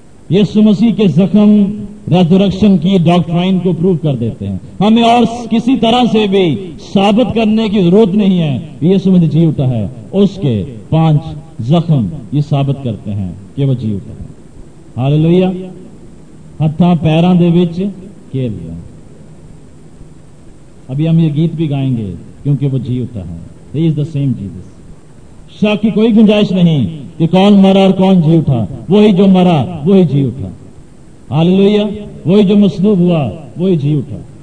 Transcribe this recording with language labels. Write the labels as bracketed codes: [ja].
[ur] یسو مسیح کے زخم ریزرکشن کی ڈاکٹرائن کو پروف کر دیتے ہیں. ہمیں اور کسی طرح سے بھی ثابت کرنے کی ضرورت نہیں ہے, یسو مسیح جی اٹھا ہے, اس کے پانچ زخم یہ ثابت کرتے ہیں کہ وہ جی اٹھا ہے. [pa] ہللویہ, ہتھاں پیراں دے وچ کیل. [ur] ابھی ہم یہ گیت بھی گائیں گے کیونکہ وہ جی اٹھا ہے. [en] He is the same Jesus. [ur] شک کی کوئی گنجائش نہیں کہ کون مرا اور کون جی اٹھا, وہی جو مرا وہی جی اٹھا. ہللویہ, وہی جو مصلوب ہوا وہی جی اٹھا.